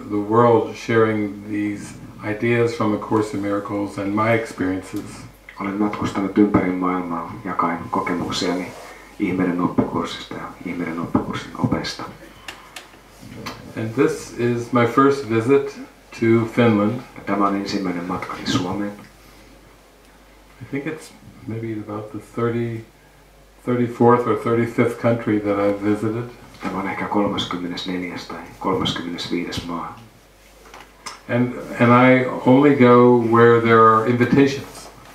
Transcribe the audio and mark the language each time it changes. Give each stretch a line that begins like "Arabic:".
English: world sharing these ideas from A Course in Miracles and my experiences.
Finnish: Olen matkustanut ympäri maailmaa jakaen kokemuksiani ihmeiden oppikurssista ja ihmeiden oppikurssin opesta.
English: And this is my first visit to Finland.
Finnish: Tämä on ensimmäinen matkani Suomeen.
English: I think it's maybe about the 34th or 35th country that I've visited.
Finnish: Tämä on ehkä 34. tai 35. maa.
English: And I only go where there are invitations.